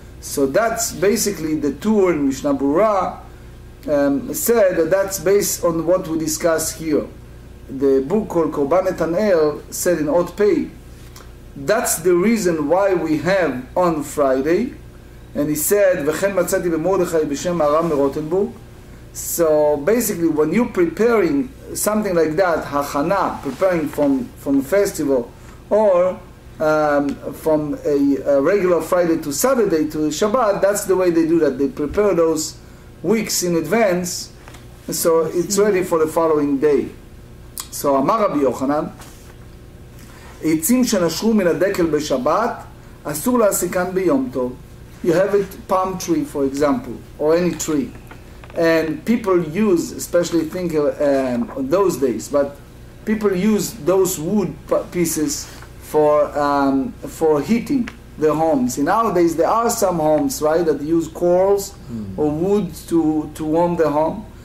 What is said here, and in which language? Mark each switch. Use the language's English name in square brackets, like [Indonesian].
[English] So that's basically the tour in Mishnah Berurah said that that's based on what we discuss here. The book called Korban Etanel said in Ot Pei, that's the reason why we have on Friday. And he said, [Hebrew] וכן מצאתי במורדכי בשם הרם מרוטנבורג. [English] So basically, when you're preparing something like that, hachana, preparing from a festival, or from a regular Friday to Saturday to Shabbat, that's the way they do that. They prepare those weeks in advance, so it's ready for the following day. [Hebrew] So אמר רבי יוחנן, עצים שנשרו מן הדקל בשבת, אסור להסיקן ביום טוב. [English] You have a palm tree, for example, or any tree. And people use, especially think of those days, but people use those wood pieces for heating their homes. And nowadays there are some homes, right, that use coals or wood to warm the home.